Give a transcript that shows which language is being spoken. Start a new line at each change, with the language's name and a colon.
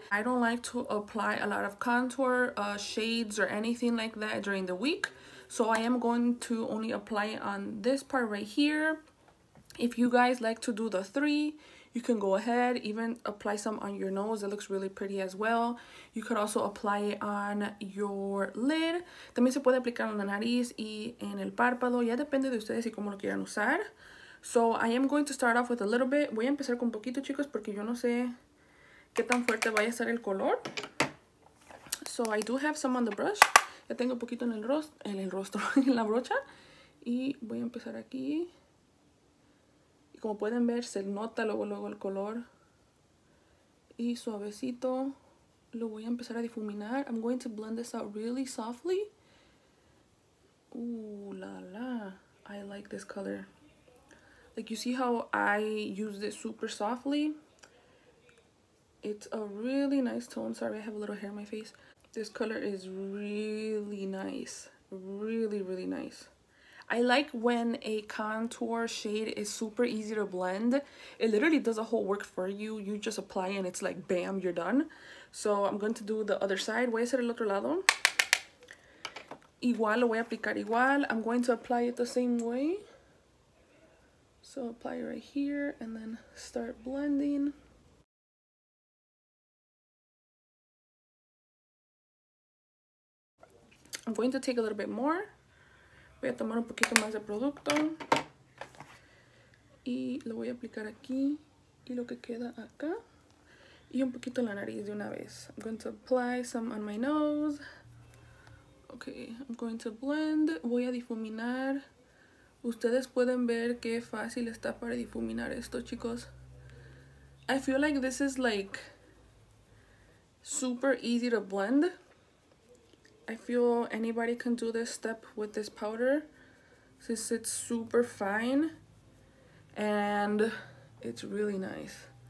English: I don't like to apply a lot of contour shades or anything like that during the week. So I am going to only apply it on this part right here. If you guys like to do the three, you can go ahead, even apply some on your nose. It looks really pretty as well. You could also apply it on your lid.
Spanish: También se puede aplicar en la nariz y en el párpado. Ya depende de ustedes y cómo lo quieran usar.
English: So I am going to start off with a little bit.
Spanish: Voy a empezar con poquito, chicos, porque yo no sé qué tan fuerte vaya a ser el color.
English: So I do have some on the brush.
Spanish: Ya tengo un poquito en el rostro, en la brocha. Y voy a empezar aquí. Y como pueden ver, se nota luego el color. Y suavecito. Lo voy a empezar a difuminar.
English: I'm going to blend this out really softly. Ooh, la la. I like this color. Like, you see how I used it super softly? It's a really nice tone. Sorry, I have a little hair on my face. This color is really nice. Really, really nice. I like when a contour shade is super easy to blend. It literally does a whole work for you. You just apply and it's like, bam, you're done. So I'm going to do the other side.
Spanish: Voy a hacer el otro lado. Igual, lo voy a aplicar igual.
English: I'm going to apply it the same way. So apply it right here and then start blending. I'm going to take a little bit more.
Spanish: Voy a tomar un poquito más de producto. Y lo voy a aplicar aquí. Y lo que queda acá. Y un poquito en la nariz de una vez.
English: I'm going to apply some on my nose. Okay, I'm going to blend.
Spanish: Voy a difuminar. Ustedes pueden ver qué fácil está para difuminar esto, chicos.
English: I feel like this is like super easy to blend. I feel anybody can do this step with this powder since it's super fine and it's really nice.